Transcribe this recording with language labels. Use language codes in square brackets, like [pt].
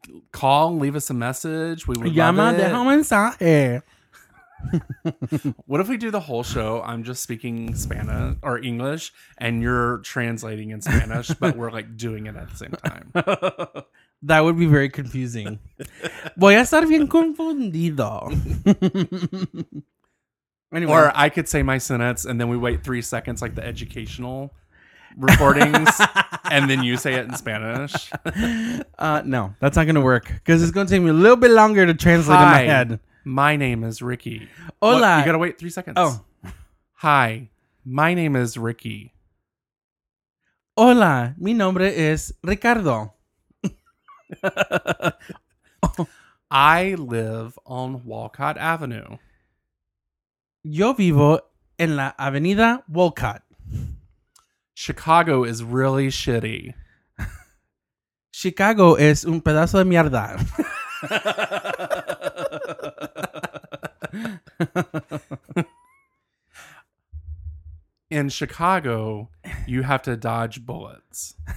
[en] Call and leave us a message. We would love it. Mensaje. What if we do the whole show? I'm just speaking Spanish or English and you're translating in Spanish, but we're like doing it at the same time. That would be very confusing. [es] Voy a estar bien confundido. [en] Anyway. Or I could say my sentence, and then we wait 3 seconds like the educational recordings, and then you say it in Spanish. No, that's not going to work, because it's going to take me a little bit longer to translate Hi, in my head. My name is Ricky. Hola. Look, you got to wait 3 seconds. Oh. Hi, my name is Ricky. [es] Hola, mi nombre es Ricardo. [en] I live on Walcott Avenue. [es] Yo vivo en la Avenida Walcott. [en] Chicago is really shitty. [es] Chicago es un pedazo de mierda. [en] In Chicago, you have to dodge bullets.